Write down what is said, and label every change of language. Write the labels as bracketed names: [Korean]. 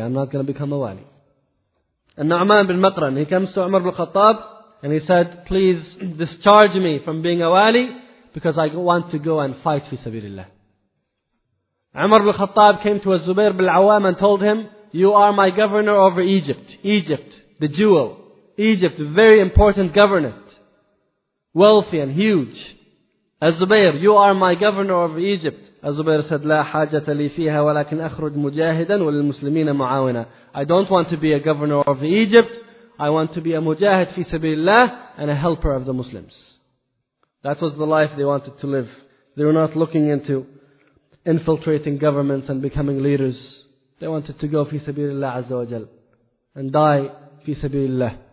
[English] I'm not going to become a wali. And Nu'man bin Maqran, he comes to Umar bin Khattab and he said, please discharge me from being a wali because I want to go and fight fi sabilillah. Umar bin Khattab came to Zubair bin Awam and told him, you are my governor over Egypt. Egypt, the jewel. Egypt, the very important governor. Wealthy and huge. Zubair, you are my governor over Egypt. Zubair said, [Arabic] لا حاجة لي فيها ولكن أخرج مجاهدا وللمسلمين معاونا. [English] I don't want to be a governor of Egypt. I want to be a mujahid [Arabic] في سبيل الله [English] and a helper of the Muslims. That was the life they wanted to live. They were not looking into infiltrating governments and becoming leaders. They wanted to go [Arabic] في سبيل الله عز وجل [English] and die fi sabilillah.